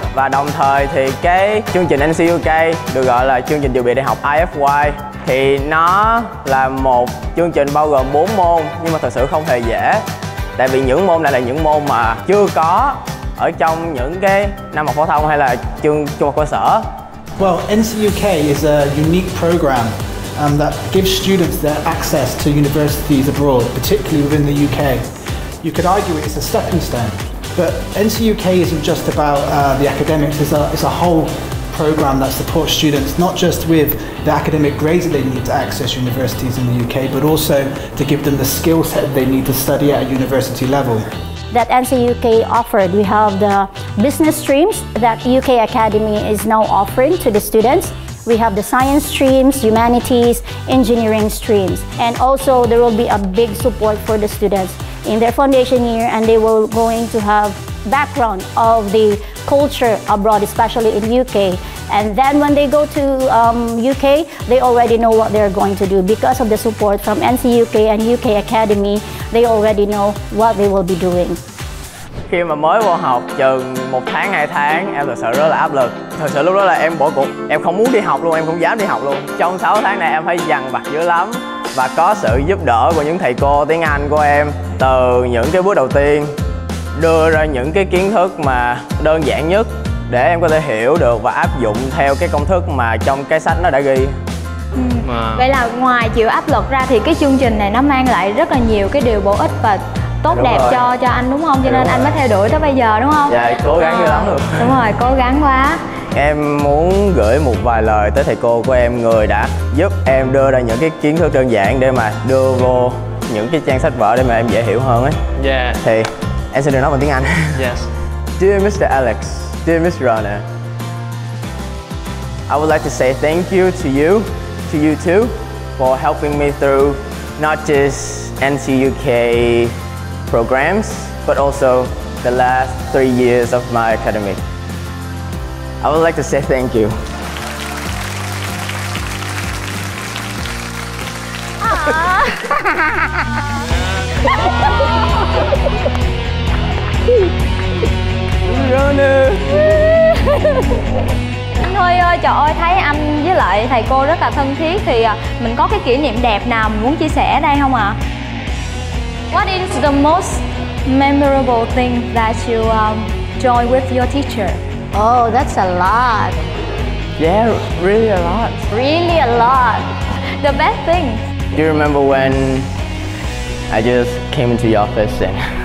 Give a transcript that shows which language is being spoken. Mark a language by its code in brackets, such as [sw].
[vi] Và đồng thời thì cái chương trình NCUK được gọi là chương trình dự bị đại học IFY. Thì nó là một chương trình bao gồm 4 môn, nhưng mà thật sự không hề dễ. Tại vì những môn này là những môn mà chưa có ở trong những cái năm học phổ thông hay là trường trung học cơ sở. [en] Well, NCUK is a unique program that gives students the access to universities abroad, particularly within the UK. You could argue it's a stepping stone, but NCUK isn't just about the academics. It's a whole program that supports students, not just with the academic grades they need to access universities in the UK, but also to give them the skill set they need to study at a university level. That NCUK offered, we have the business streams that UK Academy is now offering to the students. We have the science streams, humanities, engineering streams. And also there will be a big support for the students in their foundation year, and they will going to have background of the culture abroad, especially in UK. And then when they go to UK, they already know what they're going to do. Because of the support from NCUK and UK Academy, they already know what they will be doing. [vi] Khi mà mới vô học chừng 1 tháng, 2 tháng, em thật sự rất là áp lực. Thật sự lúc đó là em bỏ cuộc, em không muốn đi học luôn, em không dám đi học luôn. Trong 6 tháng này em phải dằn vặt dữ lắm. Và có sự giúp đỡ của những thầy cô tiếng Anh của em. Từ những cái bước đầu tiên, đưa ra những cái kiến thức mà đơn giản nhất để em có thể hiểu được và áp dụng theo cái công thức mà trong cái sách nó đã ghi. Vậy là ngoài chịu áp lực ra thì cái chương trình này nó mang lại rất là nhiều cái điều bổ ích và tốt đẹp cho anh, đúng không? Cho nên anh mới theo đuổi tới bây giờ, đúng không? Dạ, cố gắng như lắm luôn. Đúng rồi, cố gắng quá. Em muốn gửi một vài lời tới thầy cô của em, người đã giúp em đưa ra những cái kiến thức đơn giản để mà đưa vô những cái trang sách vở để mà em dễ hiểu hơn ấy. Dạ. Thì em sẽ được nói bằng tiếng Anh. [en] Yes. Dear Mr. Alex, dear Miss Rana, I would like to say thank you to you too, for helping me through not just NCUK programs, but also the last 3 years of my academy. I would like to say thank you. [vi] Anh Huy ơi, trời ơi, thấy anh với lại thầy cô rất là thân thiết, thì mình có cái kỷ niệm đẹp nào mình muốn chia sẻ ở đây không ạ? [en] What is the most memorable thing that you join with your teacher? Oh, that's a lot. Yeah, really a lot. Really a lot. The best thing. Do you remember when I just came into your office and...